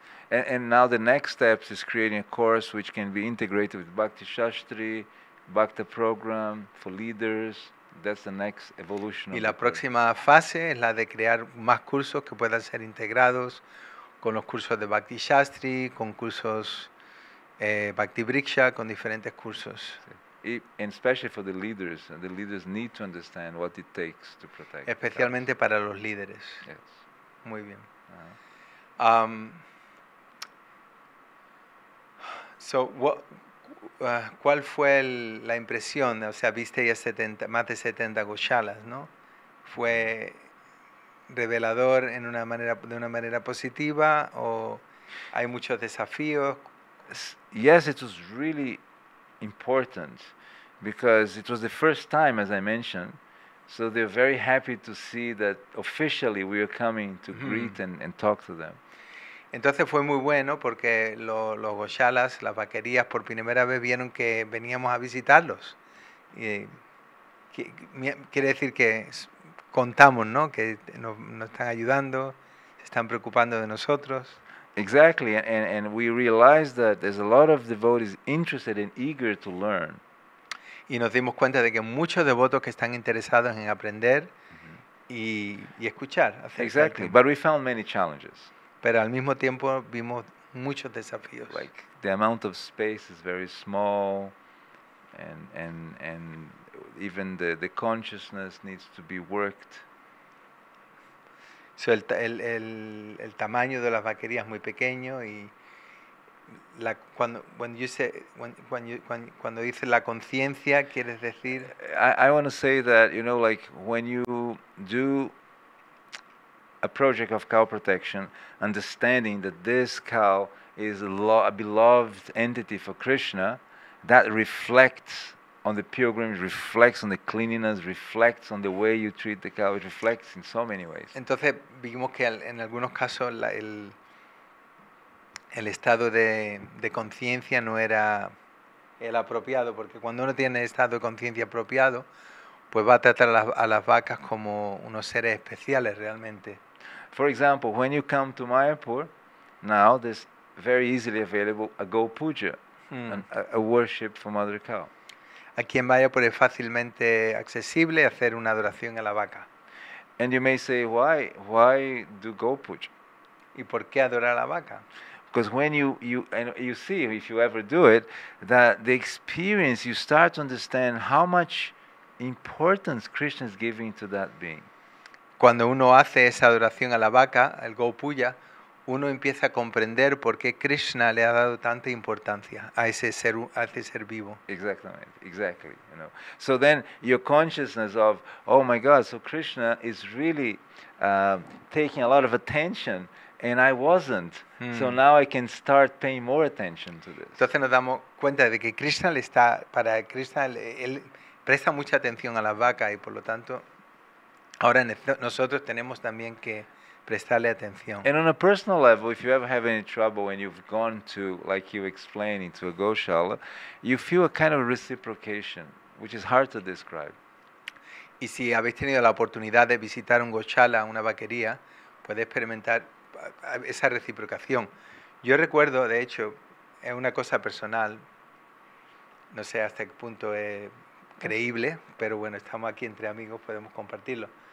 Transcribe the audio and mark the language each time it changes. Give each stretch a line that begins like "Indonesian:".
English: And now the next step is creating a course which can be integrated with Bhakti Shastri, Bhakta program for leaders. That's the next evolution.
Spanish: Y la próxima fase es la de crear más cursos que puedan ser integrados con los cursos de Bhakti Shastri, con cursos Bhakti Briksha, con diferentes cursos.
English: And especially for the leaders need to understand what it takes to protect.
Spanish: Especialmente para los líderes.
English: Yes.
Spanish: Muy bien. ¿Cuál fue la impresión? O sea, viste ya 70, más de 70 goshalas, ¿no? ¿Fue revelador en una manera, de una manera positiva, o hay muchos desafíos?
English: Yes, it was really important because it was the first time, as I mentioned. So they're very happy to see that officially we are coming to greet and talk to them.
Spanish: Entonces fue muy bueno porque los goshalas, las vaquerías, por primera vez vieron que veníamos a visitarlos. Y, quiere decir que contamos, ¿no? Que nos están ayudando, se están preocupando de nosotros.
English: Exactly, and we realized that there's a lot of devotees interested and eager to learn.
Spanish: Y nos dimos cuenta de que muchos devotos que están interesados en aprender y escuchar.
English: Exactly, but we found many challenges.
Spanish: Pero al mismo tiempo vimos muchos desafíos.
English: Like the amount of space is very small, and even the consciousness needs to be worked. So
Spanish: el tamaño de las vaquerías es muy pequeño y la cuando dice la conciencia, ¿quieres decir?
English: I want to say that, you know, like when you do a project of cow protection, understanding that this cow is a beloved entity for Krishna, that reflects on the pilgrimage, reflects on the cleanliness, reflects on the way you treat the cow, it reflects in so many ways.
Spanish: Entonces, vimos que en algunos casos el estado de conciencia no era el apropiado, porque cuando uno tiene estado de conciencia apropiado, pues va a tratar a las vacas como unos seres especiales realmente.
English: For example, when you come to Mayapur, now there's very easily available a Go Puja, a worship for Mother Cow.
Spanish: Aquí en Mayapur es fácilmente accesible hacer una adoración a la vaca.
English: And you may say, why do Go Puja?
Spanish: ¿Y por qué adorar a la vaca?
English: Because when you see, if you ever do it, that the experience, you start to understand how much importance Krishna is giving to that being.
Spanish: Cuando uno hace esa adoración a la vaca, el Gopuya, uno empieza a comprender por qué Krishna le ha dado tanta importancia a ese ser vivo.
English: Exactly. You know. So then your consciousness of, oh my God, so Krishna is really taking a lot of attention and I wasn't. Mm. So now I can start paying more attention to this.
Spanish: Entonces nos damos cuenta de que Krishna le está, para Krishna, él presta mucha atención a la vaca y por lo tanto ahora nosotros tenemos también que prestarle atención.
English: And on a personal level, if you ever have any trouble and you've gone to, like you explained, into a goshala, you feel a kind of reciprocation, which is hard to describe.
Spanish: Y si habéis tenido la oportunidad de visitar un goshala, una vaquería, puedes experimentar esa reciprocación. Yo recuerdo, de hecho, es una cosa personal, no sé hasta qué punto es creíble, pero bueno, estamos aquí entre amigos, podemos compartirlo.